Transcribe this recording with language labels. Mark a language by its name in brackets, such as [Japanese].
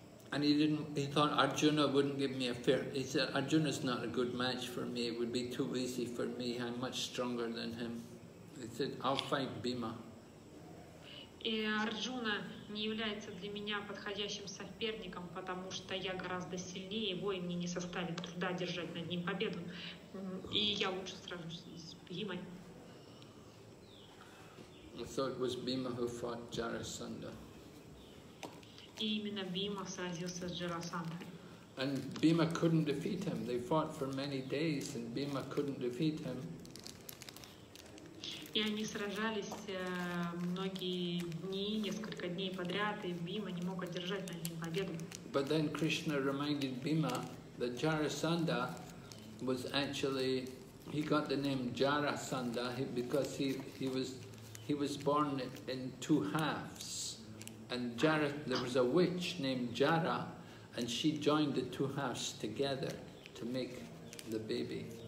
[English] And he thought Arjuna wouldn't give me a fair, he said, Arjuna's not a good match for me, it would be too easy for me, I'm much stronger than him. He said, I'll fight Bhima. [Russian] И Арджуна не является для меня подходящим соперником, потому что я гораздо сильнее его, и мне не составит труда держать над ним победу. И я лучше сражусь с Бхимой. [English] So it was Bhima who fought Jarasandha. [Russian] И именно Бхима сразился с Джарасандхой. [English] And Bhima couldn't defeat him. They fought for many days, and Bhima couldn't defeat him. [Russian] И они сражались многие дни, несколько дней подряд, и Бхима не мог одержать над ним победу. [English] But then Krishna reminded Bhima that Jarasandha was actually, he got the name Jarasandha because he was born in two halves. And Jara, there was a witch named Jara, and she joined the two halves together to make the baby.